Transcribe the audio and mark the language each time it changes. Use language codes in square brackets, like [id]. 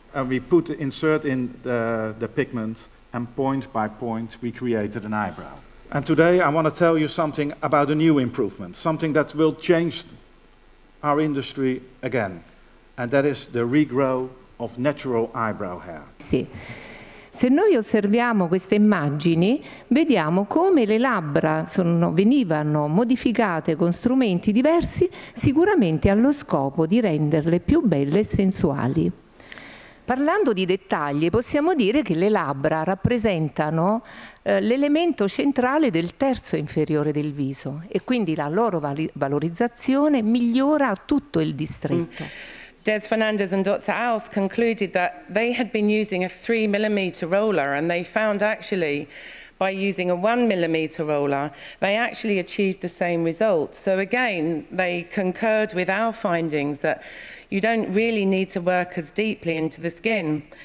[en] And we put insert in the pigment, and point by point, we created an eyebrow. And today, I want to tell you something about a new improvement, something that will change our industry again, and that is the regrow of natural eyebrow hair. [it] Sì. Se noi osserviamo queste immagini, vediamo come le labbra venivano modificate con strumenti diversi, sicuramente allo scopo di renderle più belle e sensuali. Parlando di dettagli, possiamo dire che le labbra rappresentano l'elemento centrale del terzo inferiore del viso e quindi la loro valorizzazione migliora tutto il distretto. [en] Des Fernandez and Dr. Aus concluded that they had been using a 3mm roller and they found actually by using a 1mm roller, they actually achieved the same result. So again, they concurred with our findings that you don't really need to work as deeply into the skin.